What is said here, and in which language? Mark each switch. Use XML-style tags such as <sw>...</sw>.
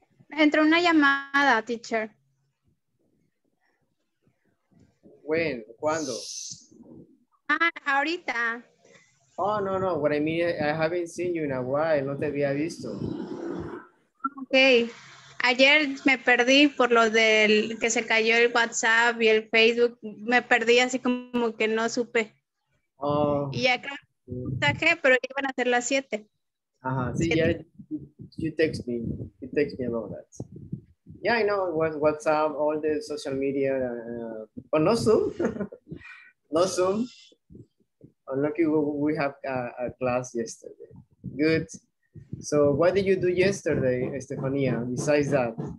<es>Entró una llamada, teacher.</es> <en>When?</en> <es>¿Cuándo? Ah, ahorita.</es> <en>Oh, no, no. What I mean, I haven't seen you in a while.</en> <es>No te había visto. Ok. Ayer me perdí por lo del que se cayó el WhatsApp y el Facebook. Me perdí así como que no supe. Oh. Y ya creo que saqué, pero iban a ser las 7. Ajá, sí, ya.</es> <en>You text me about that. Yeah, I know WhatsApp, all the social media, but no Zoom. No Zoom. Unlucky we have a class yesterday. Good. So what did you do yesterday, Estefania, besides that?</en>